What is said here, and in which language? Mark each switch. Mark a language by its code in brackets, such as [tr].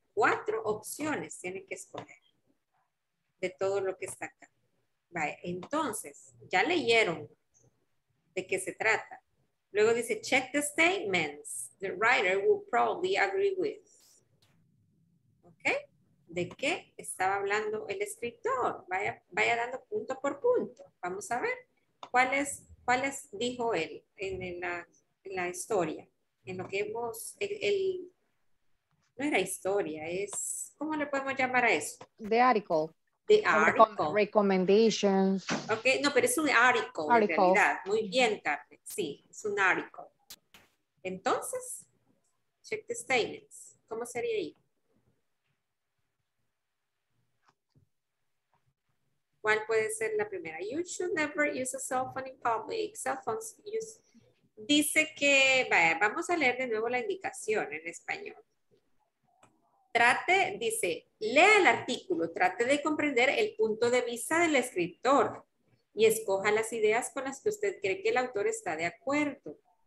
[es] Cuatro opciones tiene que escoger de todo lo que está acá. Vale. Entonces, ya leyeron de qué se trata. Luego dice, [en] check the statements the writer will probably agree with. [es] Okay. ¿De qué estaba hablando el escritor? Vaya dando punto por punto. Vamos a ver cuáles dijo él en la historia. En lo que hemos... no era historia, es... ¿Cómo le podemos llamar a eso? [en] The article. The article. Recommendations. [es] Ok, no, pero es un article. En realidad. Muy bien, Carmen. Sí, es un article. Entonces, [en] check the statements. [es] ¿Cómo sería ahí? ¿Cuál puede ser la primera? [en] You should never use a cell phone in public. Cell phones use... [es] Dice que... Vaya, vamos a leer de nuevo la indicación en español. Trate, dice, lea el artículo. Trate de comprender el punto de vista del escritor y escoja las ideas con las que usted cree que el autor está de acuerdo.